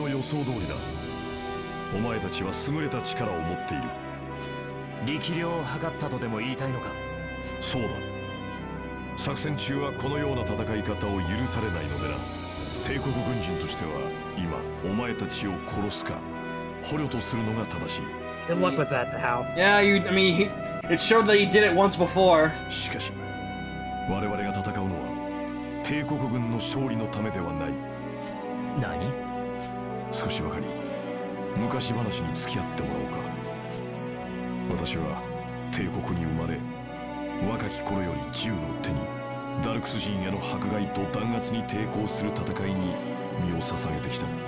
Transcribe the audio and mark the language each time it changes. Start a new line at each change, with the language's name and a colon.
Japanese: お前たちは優れた力を持っている。力量を測ったとでも言いたいのか。そうだ。作戦中はこのような戦い方を許されないのでな。帝国軍人としては今お前たちを殺すか捕虜とするのが正しい。
English: Good luck with that, Hal. Yeah, you, I mean, it showed that he did it once before.
Japanese: しかし我々が戦うのは帝国軍の勝利のためではない。何？少しわかり昔話に付き合ってもらおうか。私は帝国に生まれ、若き頃より銃を手にダルクス人への迫害と弾圧に抵抗する戦いに身を捧げてきた。